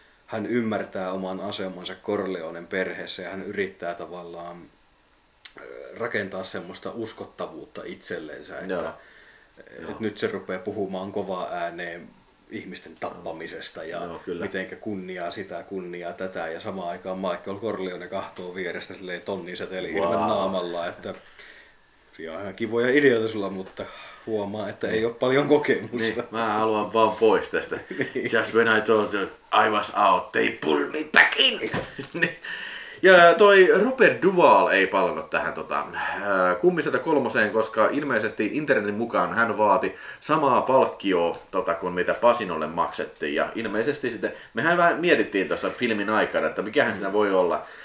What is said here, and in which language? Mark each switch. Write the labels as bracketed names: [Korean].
[Finnish] Hän ymmärtää oman asemansa Corleonen perheessä ja hän yrittää tavallaan rakentaa semmoista uskottavuutta itsellensä, että nyt se rupeaa puhumaan kovaa ääneen ihmisten tappamisesta ja mitenkä kunniaa sitä, kunniaa tätä. Ja samaan aikaan Michael Corleone kahtoo vierestä silleen tonnin säteli ilman naamalla, että siinä on ihan kivoja ideoita sulla, mutta huomaa, että ei ole paljon kokemusta. Niin, mä haluan vaan pois tästä. [English] Just when I told you, I was out, they pulled me back in. [Finnish] Ja toi Robert Duvall ei palannut tähän Kummisetä kolmoseen, koska ilmeisesti internetin mukaan hän vaati samaa palkkioa kuin mitä Pacinolle maksettiin. Ja ilmeisesti sitten, mehän vähän mietittiin tuossa filmin aikana, että mikähän siinä voi olla.